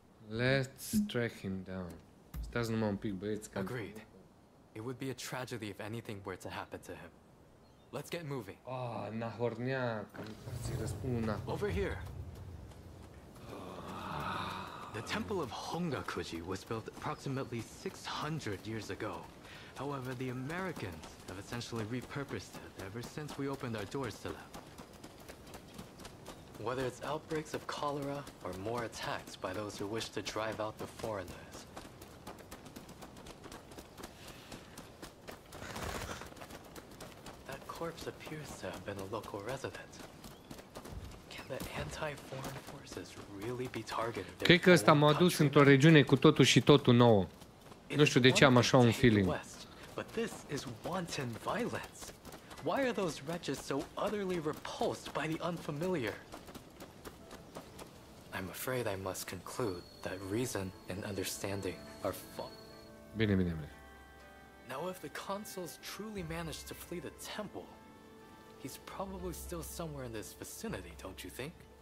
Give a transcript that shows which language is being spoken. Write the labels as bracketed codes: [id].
[en] Let's track him down. [ro] Stați numai un pic, băieți, că... [en] Agreed. It would be a tragedy if anything were to happen to him. Let's get moving. Oh, Nahorniak. [ro] Îți răspund un Nahorniak. [en] Over here. The temple of Hongakuji was built approximately 600 years ago. However, the Americans have essentially repurposed it ever since we opened our doors to them. Whether it's outbreaks of cholera or more attacks by those who wish to drive out the foreigners. That corpse appears to have been a local resident. Can the anti-foreign forces really be targeted? [ro] Cred că ăsta m-a dus într-o regiune cu totul și totul nouă. Nu știu de ce am așa un feeling. [en] But this is wanton violence. Why are those wretches so utterly repulsed by the unfamiliar? I'm afraid I must conclude that reason and understanding are false. [ro] Bine, bine, bine. [en] Now if the consul's truly managed to flee the temple, he's probably still somewhere in this vicinity, don't you think?